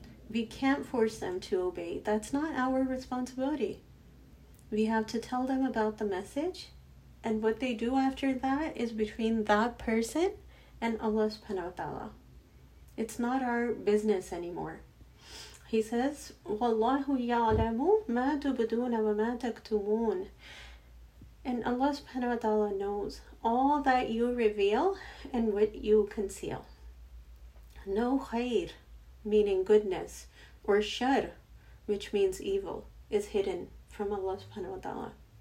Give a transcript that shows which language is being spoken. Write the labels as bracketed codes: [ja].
[en] We can't force them to obey. That's not our responsibility. We have to tell them about the message, and what they do after that is between that person and Allah subhanahu wa ta'ala. It's not our business anymore. He says, [ar] وَاللَّهُ يَعْلَمُ مَا تُبْدُونَ وَمَا تَكْتُمُونَ. [en] And Allah subhanahu wa ta'ala knows all that you reveal and what you conceal. No khayr, meaning goodness, or shar, which means evil, is hidden from Allah subhanahu wa ta'ala.